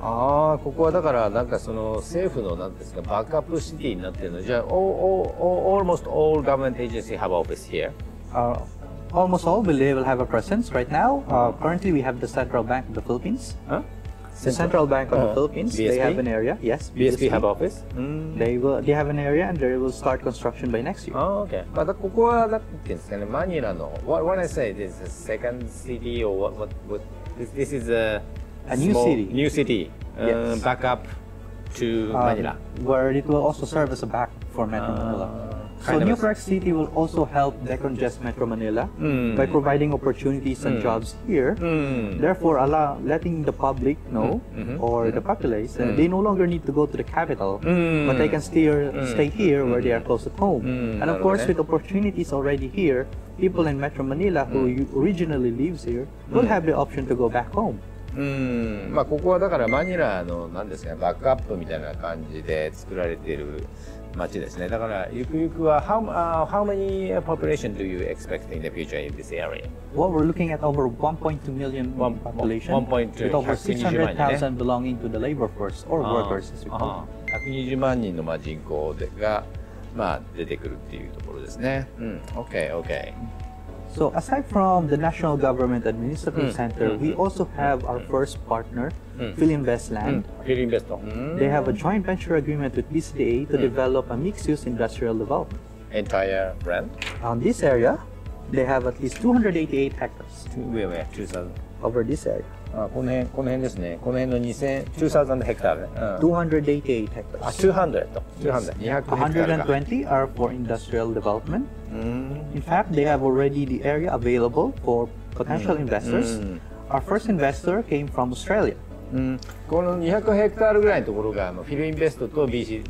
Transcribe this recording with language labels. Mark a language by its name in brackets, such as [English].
[Japanese] ああ、ここはだからなんかその政府のなんですか、バックアップシティになってるの。じゃあ、 [English] almost all government agencies have office here. Almost all, they will have a presence right now. Currently, we have the Central Bank of the Philippines. The Central Bank of the Philippines, they have an area. Yes, BSP have office. They have an area and they will start construction by next year. Oh, okay. [Japanese] But ここはなんていうんですかね、マニラの。 [English] When I say this is a second city or what this is a new city. New city. Backup to Manila. Where it will also serve as a backup for Metro Manila. So New Park City will also help decongest Metro Manila by providing opportunities and jobs here. Therefore, letting the public know or the populace, they no longer need to go to the capital, but they can stay here where they are close at home. And of course, with opportunities already here, people in Metro Manila who originally lives here will have the option to go back home. [Japanese] まあここはだからマニラのなんですかね、バックアップみたいな感じで作られている。街ですね。だからゆくゆくは [English] how many population do you expect in the future in this area? Well, we're looking at over 1.2 million population. 1.2 with over 600,000 belonging to the labor force or workers as we call. [Japanese] 120万人のまあ人口でがまあ出てくるっていうところですね。 [English] Okay, okay. So aside from the national government administrative center, we also have our first partner. PhilInvestLand. PhilInvest. They have a joint venture agreement with Bcda to develop a mixed-use industrial development. Entire land? On this area, they have at least 288 hectares. Where? 2,000. Over this area. [Japanese] この辺ですね。この辺の2,000 hectares. [English] 288 hectares. 200. 200. 220 are for industrial development. In fact, they have already the area available for potential investors. Our first investor came from Australia. [Japanese] この200ヘクタールぐらいのところがフィルインベストと BC。